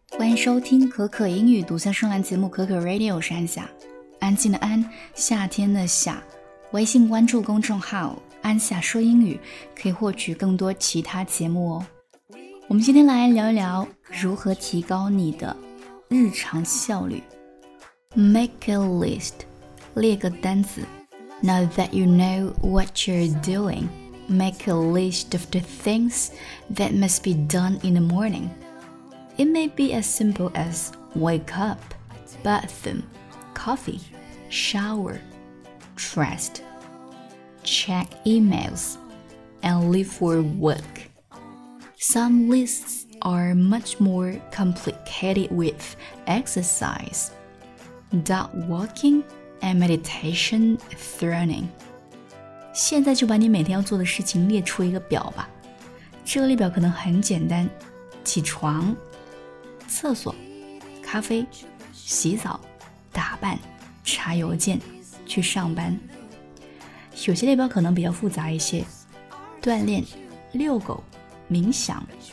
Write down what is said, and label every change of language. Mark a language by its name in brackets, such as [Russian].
[Chinese] 迎收听可可英语独家声浪节目可可 Radio， 我是安夏，安静的安，夏天的夏。微信关注公众号安夏说英语，可以获取更多其他节目哦。我们今天来聊一聊如何提高你的日常效率。 [English] Make a list， [Chinese] 列个单子。 [English] Now that you know what you're doing, make a list of the things that must be done in the morning. It may be as simple as wake up, bathroom, coffee, shower, dressed, check emails, and leave for work. Some lists are much more complicated with exercise, dog walking, and meditation thrown in. [Chinese] 现在就把你每天要做的事情列出一个表吧。这个列表可能很简单，起床、厕所、咖啡、洗澡、打扮、查邮件、去上班。有些列表可能比较复杂一些，锻炼、遛狗、冥想。